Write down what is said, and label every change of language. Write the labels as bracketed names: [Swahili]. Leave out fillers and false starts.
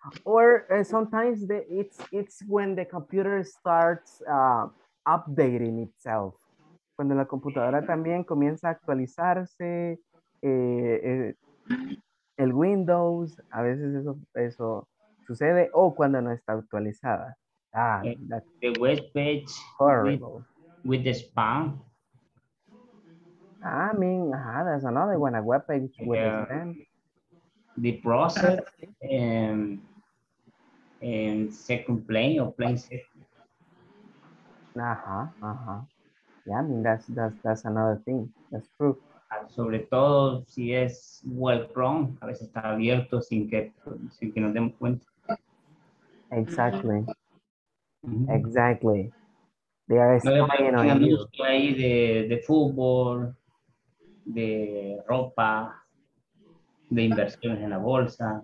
[English] Or sometimes it's when the computer starts updating itself. [Spanish] Cuando la computadora también comienza a actualizarse. El Windows, a veces eso sucede, o cuando no está actualizada. Ah, [English] the web page horrible. With the spam. I mean, that's another one, a web page with the spam. The process and second plane or plane second. Yeah, I mean, that's another thing, that's true. [Spanish] Sobre todo si es web Chrome, a veces está abierto sin que nos demos cuenta. [English] Exactly. Mm-hmm. Exactly. They are spying on you. [Spanish] Ahí de fútbol, de ropa, de inversiones en la bolsa.